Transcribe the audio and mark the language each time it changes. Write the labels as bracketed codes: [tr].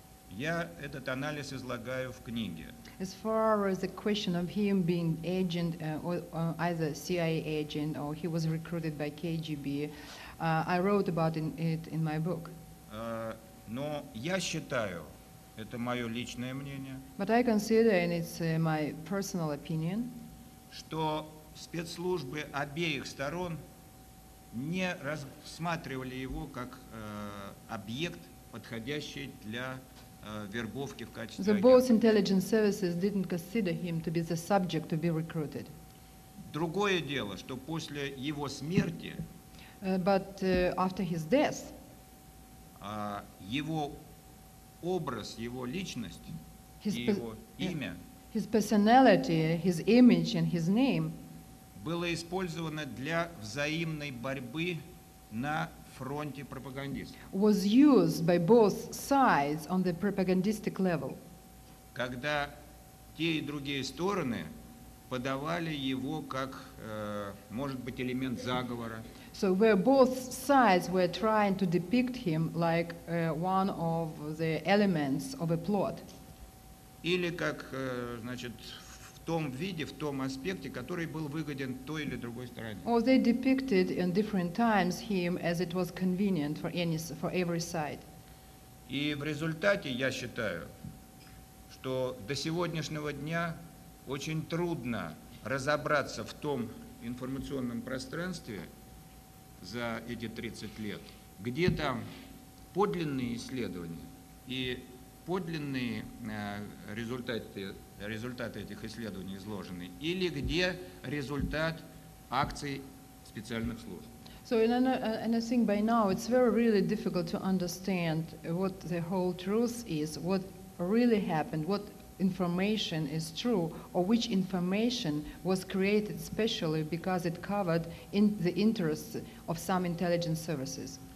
[ru] Я этот анализ излагаю в книге. [en] As far as the question of him being agent or either CIA agent or he was recruited by KGB, I wrote about it in my book. [ru] Но я считаю, это мое личное мнение. [en] But I consider, and it's my personal opinion, [ru] что спецслужбы обеих сторон не рассматривали его как объект, подходящий для вербовки в качестве агента. [en] The both intelligence services didn't consider him to be the subject to be recruited. [ru] Другое дело, что после его смерти, [en] but after his death, [ru] его образ, его личность, [en] his [ru] его имя, [en] his personality, his image and his name, [ru] было использовано для взаимной борьбы на фронте пропагандистов. [en] Was used by both sides on the propagandistic level. [ru] Когда те и другие стороны подавали его как, может быть, элемент заговора. [en] So where both sides were trying to depict him like one of the elements of a plot. [ru] Или как, значит, в том виде, в том аспекте, который был выгоден той или другой стороне. [en] Or they depicted in different times him as it was convenient for any, for every side. [ru] И в результате я считаю, что до сегодняшнего дня очень трудно разобраться в том информационном пространстве за эти 30 лет, где там подлинные исследования и подлинные результаты этих исследований изложены, или где результат акций специальных служб. [en] So, and I think by now it's very really difficult to understand what the whole truth is, what really happened, what information is true, or which information was created specially because it covered in the interests of some intelligence services.